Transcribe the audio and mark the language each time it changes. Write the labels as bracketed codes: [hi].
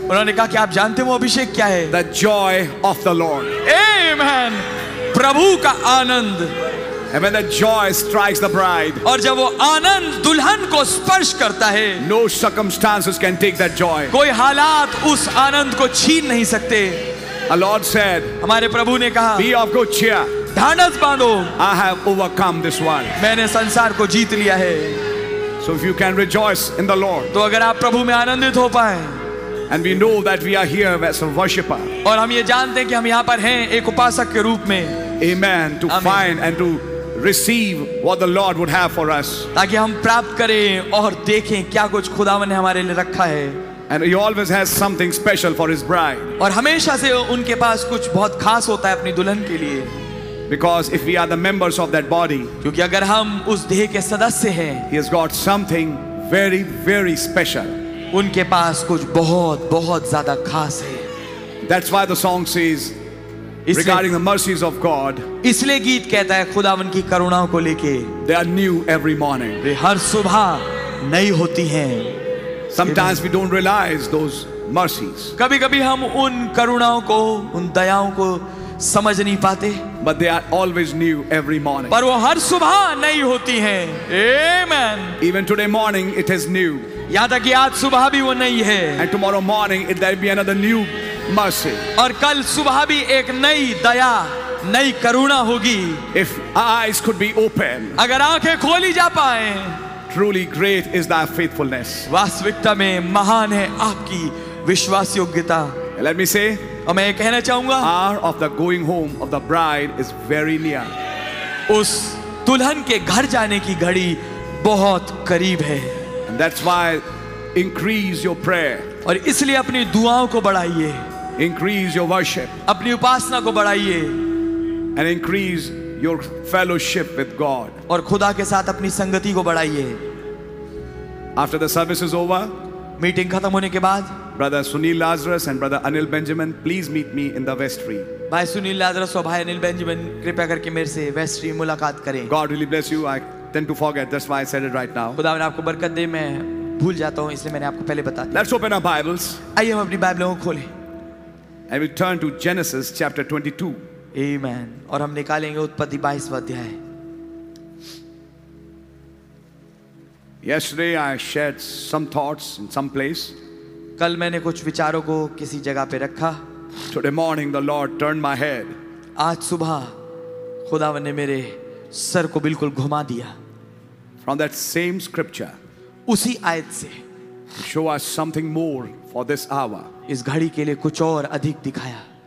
[hi] उन्होंने कहा कि आप जानते हो वो अभिषेक क्या है? [en] The joy of the Lord. [hi] Amen. प्रभु का आनंद. [en] And when the joy strikes the bride, [hi] और जब वो आनंद दुल्हन को स्पर्श करता है, [en] no circumstances can take that joy. [hi] कोई हालात उस आनंद को छीन नहीं सकते. [en] The Lord said, [hi] हमारे प्रभु ने कहा, [en] be of good cheer. [hi] ढांढस बांधो. [en] I have overcome this world. [hi] मैंने संसार को जीत लिया है. [en] So if you can rejoice in the Lord, [hi] तो अगर आप प्रभु में आनंदित हो पाएं, [en] and we know that we are here as a worshipper. [hi] और हम ये जानते हैं कि हम यहाँ पर हैं एक उपासक के रूप में. [en] Amen. To Amen. Find and to receive what the Lord would have for us. [hi] ताकि हम प्राप्त करें और देखें क्या कुछ खुदावन ने हमारे लिए रखा है. [en] And He always has something special for His bride. [hi] और हमेशा से उनके पास कुछ बहुत खास होता है अपनी दुल्हन के लिए. [en] Because if we are the members of that body, [hi] क्योंकि अगर हम उस देह के सदस्य हैं, [en] He has got something very, very special. [hi] उनके पास कुछ बहुत बहुत ज़्यादा खास है. [en] That's why the song says. Regarding the mercies of God, [hi] इसलिए गीत कहता है खुदावन की करुणाओं को लेके. [en] They are new every morning. [hi] वे हर सुबह नई होती हैं. [en] Sometimes we don't realize those mercies. [hi] कभी-कभी हम उन करुणाओं को, उन दयाओं को समझ नहीं पाते. [en] But they are always new every morning. [hi] पर वो हर सुबह नई होती हैं. Amen. [en] Even today morning, it is new. [hi] याद है कि आज सुबह भी वो नई है. [en] And tomorrow morning, it will be another new. Mercy. [hi] और कल सुबह भी एक नई दया नई करुणा होगी. [en] If eyes could be open, [hi] अगर आंखें खोली जा पाए. [en] Truly great is thy faithfulness. [hi] वास्तविकता में महान है आपकी विश्वास योग्यता. [en] Let me say, [hi] और मैं ये कहना चाहूंगा, [en] hour of the going home of the bride is very near. [hi] उस दुल्हन के घर जाने की घड़ी बहुत करीब है. [en] And that's why increase your prayer. [hi] और इसलिए अपनी दुआओं को बढ़ाइए. [en] Increase your worship. [hi] अपनी उपासना को बढ़ाइए. [en] And increase your fellowship with God. [hi] और खुदा के साथ अपनी संगति को बढ़ाइए. [en] after the service is over, [hi] meeting खत्म होने के बाद, [en] Brother Sunil Lazarus and brother Anil Benjamin please meet me in the vestry. [hi] भाई सुनील लाजरस और भाई अनिल बेंजामिन कृपया करके मेरे से वेस्ट्री मुलाकात करें. [en] God will bless you. I tend to forget, that's why I said it right now. [hi] खुदा ने आपको बरकत दे, मैं भूल जाता हूं इसलिए मैंने आपको पहले बताया. [en] Let's open our Bibles. [hi] आइए हम अपनी बाइबलों को खोलें. [en] And we turn to Genesis chapter 22. Amen. [hi] और हम निकालेंगे उत्पत्ति 22वां अध्याय. [en] Yesterday I shared some thoughts in some place. [hi] कल मैंने कुछ विचारों को किसी जगह पे रखा. [en] Today morning the Lord turned my head. [hi] आज सुबह खुदावन ने मेरे सर को बिल्कुल घुमा दिया. [en] From that same scripture. [hi] उसी आयत से. [en] Show us something more for this hour. [hi] इस घड़ी के लिए कुछ और अधिक दिखाया.